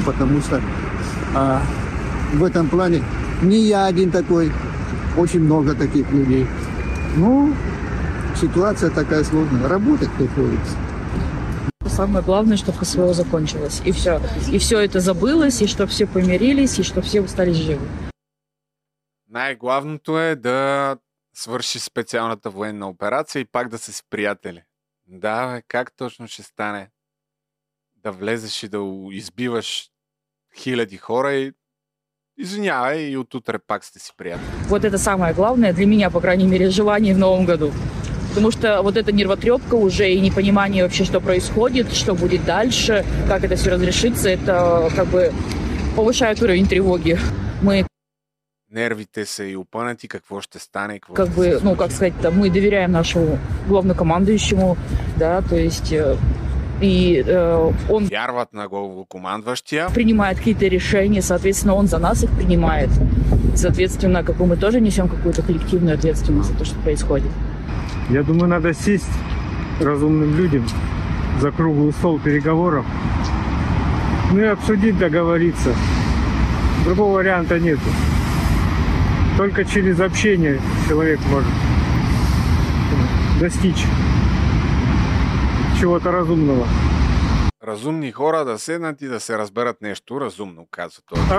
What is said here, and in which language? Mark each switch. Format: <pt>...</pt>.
<ru>Потому что в этом плане не я один такой. Очень много таких людей. Ну, ситуация такая сложная. Работать приходится. Самое главное, чтобы СВО закончилось. И все. И все это забылось, и чтобы все помирились, и чтобы все остались живы.</ru> <bg>Най-главното е да свърши специалната военна операция и пак да се сприятели. Да, бе, как точно ще стане да влезеш и да избиваш хиляди хора и извинявай, и отутре пак сте си приятели.</bg> <ru>Вот это самое главное для меня, по крайней мере, желание в новом году. Потому что вот эта нервотрепка уже и непонимание вообще, что происходит, что будет дальше, как это все разрешится, это как бы повышает уровень тревоги. Мы...</ru> <bg>Нервите са и опънати, какво ще стане, какво</bg> <ru>как бы, ну, как сказать, мы доверяем нашему главнокомандующему, да, то есть, и он...</ru> <bg>Вярват на главнокомандващия.</bg> <ru>Принимает какие-то решения, соответственно, он за нас их принимает. Соответственно, как бы мы тоже несем какую-то коллективную ответственность за то, что происходит. Я думаю, надо сесть разумным людям за круглый стол переговоров, ну и обсудить, договориться. Другого варианта нету. Только через общение человек может достичь чего-то разумного.</ru> <bg>Разумни хора да седнат и да се разберат нещо разумно, казва той.</bg>